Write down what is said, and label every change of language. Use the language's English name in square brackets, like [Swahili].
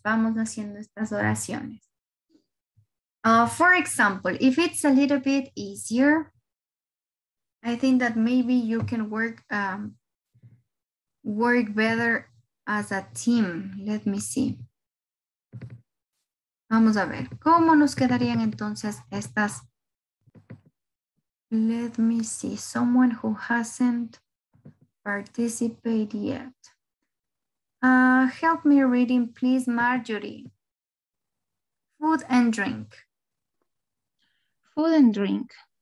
[Spanish] Vamos haciendo estas oraciones. [English] For example, if it's a little bit easier, I think that maybe you can work better as a team. Let me see. [Spanish] Vamos a ver, ¿cómo nos quedarían entonces estas? [English] Let me see, someone who hasn't participated yet. Help me reading, please, Marjorie. Food and drink. Food and drink.